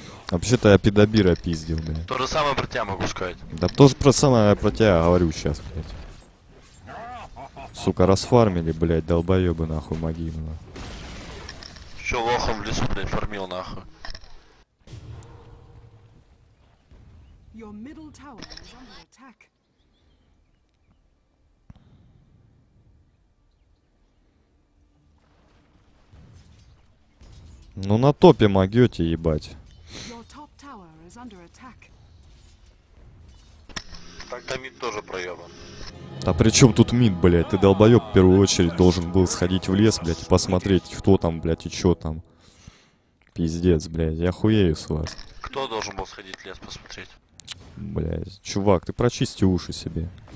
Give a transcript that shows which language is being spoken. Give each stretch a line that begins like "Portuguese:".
Russian: Вообще-то я педобира пиздил, блядь. То же самое про тебя могу сказать. Да тоже про самое про тебя говорю сейчас, блядь. Сука, расфармили, блядь, долбоёбы нахуй могилы. Чё лохом в лесу, блядь, фармил нахуй.
English: Your middle tower is under attack.
Russian: Ну на топе могёте, ебать.
English: Your top tower is under attack.
Russian: Так-то мид тоже проебан. А при чем тут мид, блядь? Ты долбоёб в первую очередь должен был сходить в лес, блядь, и посмотреть, кто там, блядь, и чё там. Пиздец, блядь, я хуею с вас. Кто должен был сходить в лес посмотреть? Блядь, чувак, ты прочисти уши себе.